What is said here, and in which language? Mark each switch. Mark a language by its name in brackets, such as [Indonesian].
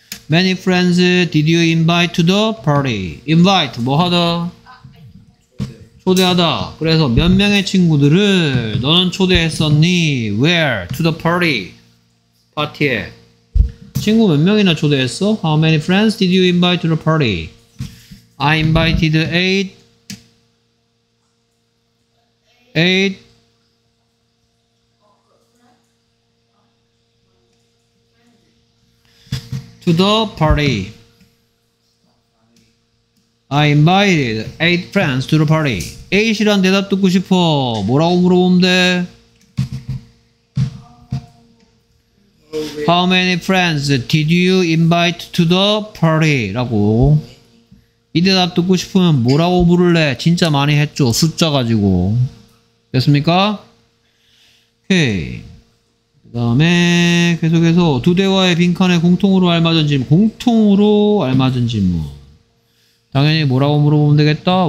[English] Many friends did you invite to the party? [Korean] Invite 뭐하다? 초대하다. 그래서 몇 명의 친구들을 너는 초대했었니? [English] Where? To the party. [Korean] 파티에. 친구 몇 명이나 초대했어? [English] How many friends did you invite to the party? I invited 8. 8. 8. To the party. I invited 8 friends to the party. [Korean] 8이란 대답 듣고 싶어. 뭐라고 물어보면 돼? [English] How many friends did you invite to the party? [Korean] 라고 이 대답 듣고 싶으면 뭐라고 물을래? 진짜 많이 했죠. 숫자 가지고. 됐습니까? 오케이. 그 다음에 계속해서 두 대화의 빈칸에 공통으로 알맞은 질문. 공통으로 알맞은 질문. 당연히 뭐라고 물어보면 되겠다.